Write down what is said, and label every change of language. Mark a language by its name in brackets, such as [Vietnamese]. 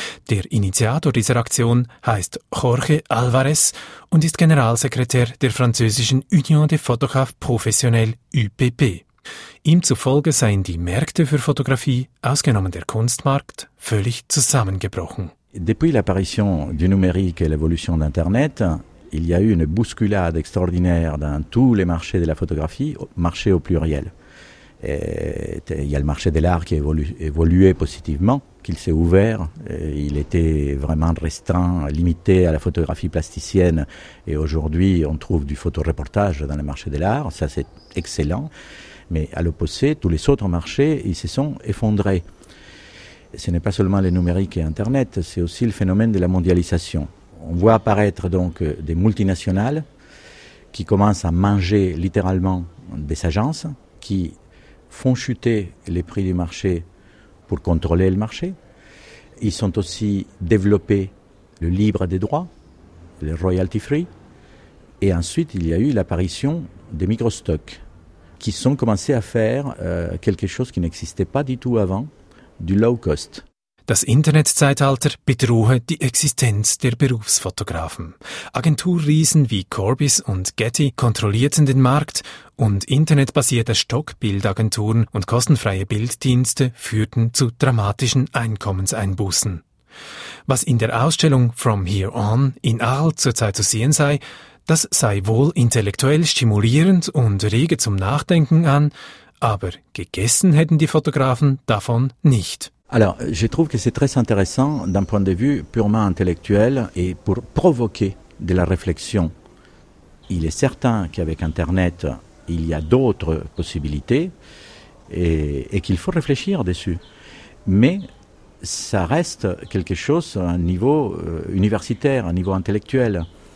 [German] Der Initiator dieser Aktion heißt Jorge Alvarez und ist Generalsekretär der französischen Union des Photographes Professionnels UPP. Ihm zufolge seien die Märkte für Fotografie, ausgenommen der Kunstmarkt, völlig zusammengebrochen. [French] Depuis l'apparition du numérique et l'évolution d'Internet, il y a eu une bousculade extraordinaire dans tous les marchés de la photographie, marché au pluriel. Et il y a le marché de l'art qui évoluait positivement, qu'il s'est ouvert. Il était vraiment restreint, limité à la photographie plasticienne. Et aujourd'hui, on trouve du photoreportage dans le marché de l'art. Ça, c'est excellent. Mais à l'opposé, tous les autres marchés, ils se sont effondrés. Ce n'est pas seulement le numérique et Internet, c'est aussi le phénomène de la mondialisation. On voit apparaître donc des multinationales qui commencent à manger littéralement des agences, qui font chuter les prix du marché pour contrôler le marché. Ils ont aussi développé le libre des droits, le royalty free. Et ensuite, il y a eu l'apparition des microstocks, qui sont commencés à faire quelque chose qui n'existait pas du tout avant, du low cost. [German] Das Internetzeitalter bedrohe die Existenz der Berufsfotografen. Agenturriesen wie Corbis und Getty kontrollierten den Markt und internetbasierte Stockbildagenturen und kostenfreie Bilddienste führten zu dramatischen Einkommenseinbußen. Was in der Ausstellung «From Here On» in Arl zurzeit zu sehen sei, das sei wohl intellektuell stimulierend und rege zum Nachdenken an, Aber gegessen hätten die Fotografen davon nicht. [French] Alors, je trouve que c'est très intéressant d'un point de vue purement intellectuel et pour provoquer de la réflexion. Il est certain qu'avec Internet, il y a d'autres possibilités et qu'il faut réfléchir dessus. Mais ça reste quelque chose à un niveau universitaire, à un niveau intellectuel.